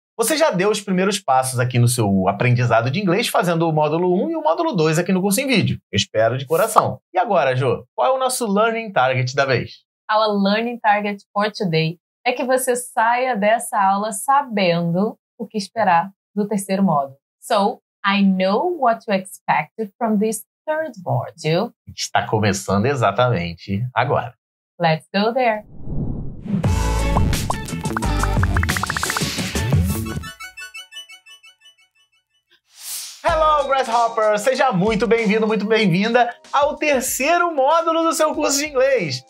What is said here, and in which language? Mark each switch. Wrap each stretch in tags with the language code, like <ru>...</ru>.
<pt>Você já deu os primeiros passos aqui no seu aprendizado de inglês fazendo o módulo 1 e o módulo 2 aqui no curso em vídeo. Eu espero de coração. E agora, Jô, qual é o nosso learning target da vez?</pt> <en>Our learning target for today</en> <pt>é que você saia dessa aula sabendo o que esperar do terceiro módulo.</pt> <en>So, I know what to expect from this third module.</en> <pt>Está começando exatamente agora.</pt> <en>Let's go there.</en> <pt>Grasshopper, seja muito bem-vindo, muito bem-vinda ao terceiro módulo do seu curso de inglês.</pt>